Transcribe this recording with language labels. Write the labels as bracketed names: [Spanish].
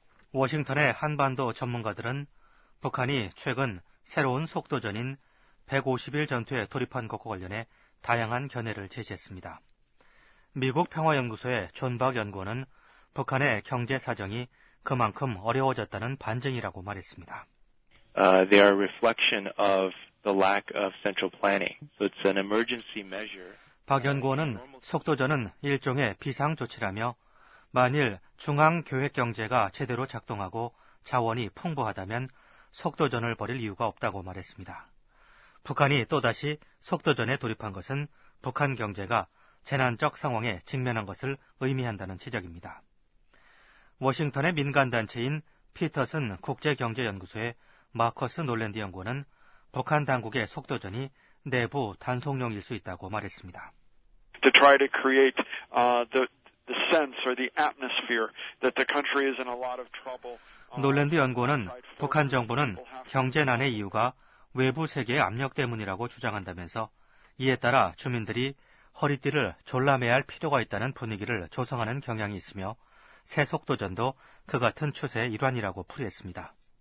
[Korean] 워싱턴의 한반도 전문가들은 북한이 최근 새로운 속도전인 150일 전투에 돌입한 것과 관련해 다양한 견해를 제시했습니다. 미국 평화연구소의 존 박 연구원은 북한의 경제 사정이 그만큼 어려워졌다는 반증이라고 말했습니다. [English] They are a reflection of the lack of central planning. So it's an emergency measure. [Korean] 박 연구원은 속도전은 일종의 비상조치라며 만일 중앙 계획 경제가 제대로 작동하고 자원이 풍부하다면 속도전을 벌일 이유가 없다고 말했습니다. 북한이 또다시 속도전에 돌입한 것은 북한 경제가 재난적 상황에 직면한 것을 의미한다는 지적입니다. 워싱턴의 민간단체인 피터슨 국제경제연구소의 마커스 놀랜드 연구원은 북한 당국의 속도전이 내부 단속용일 수 있다고 말했습니다. [English] To try to create the sense or the atmosphere that the country is in a lot of trouble. [Korean] 놀랜드 연구원은 북한 정부는 경제난의 이유가 외부 세계의 압력 때문이라고 주장한다면서 이에 따라 주민들이 허리띠를 졸라매야 할 필요가 있다는 분위기를 조성하는 경향이 있으며 새 속도전도 그 같은 추세의 일환이라고 풀이했습니다.